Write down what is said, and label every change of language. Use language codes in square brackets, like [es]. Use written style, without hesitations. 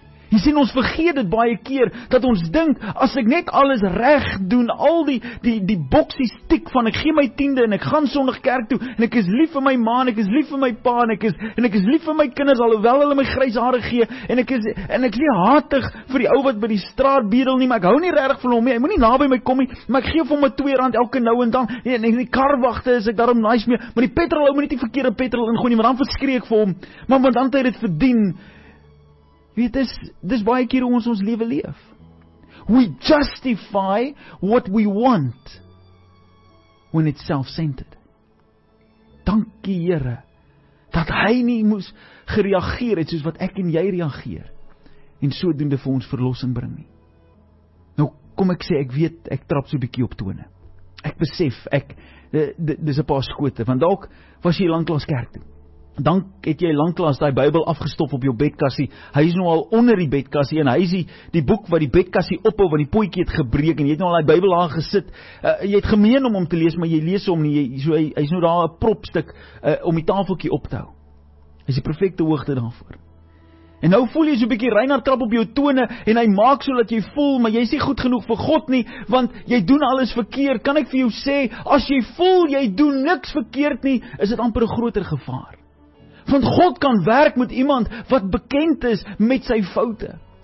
[af] Jy sien, ons vergeet dit baie keer, dat ons dink, as ek net alles reg doen, al die boksies tik van, ek gee my tiende, en ek gaan sondag kerk toe, en ek is lief vir my ma, en ek is lief vir my pa, en ek is lief vir my kinders, alhoewel hulle my grys hare gee, en ek is nie hatig vir die ou wat by die straat bedel nie, maar ek hou nie regtig van hom nie, hy moet nie na by my kom nie, maar ek gee vir hom R2 elke nou en dan, en die karwagte is ek daarom nice mee, maar die petrol, hou my nie die verkeerde petrol ingooi nie, maar dan verskree ek vir hom, maar want dan het hy dit verdien. Weet, dis baie keer hoe ons lewe leef. [en] We justify what we want when it's self-centered. [af] Dankie Here, dat hy nie moes gereageer het soos wat ek en jy reageer, en sodoende vir ons verlossing bring nie. Nou kom ek sê, ek weet, ek trap so 'n bietjie op tone. Ek besef, ek, dis 'n paar skote, want dalk was jy lanklaas kerk toe. Dan het jy lanklaas daai Bybel afgestop op jou bedkassie. Hy is nou al onder die bedkassie en hy is die boek wat die bedkassie ophou want die poetjie het gebreek en jy het nou al daai Bybel daar gesit. Jy het gemeen om hom te lees, maar jy lees hom nie. Hy is nou daar 'n propstuk om die tafeltjie op te hou. Hy is die perfekte hoogte daarvoor. En nou voel jy so 'n bietjie Reinhard krap op jou tone en hy maak so dat jy voel, maar jy is nie goed genoeg vir God nie, want jy doen alles verkeerd. Kan ek vir jou sê, as jy voel jy doen niks verkeerd nie, is dit amper 'n groter gevaar. Want God kan werk met iemand wat bekend is met sy foute.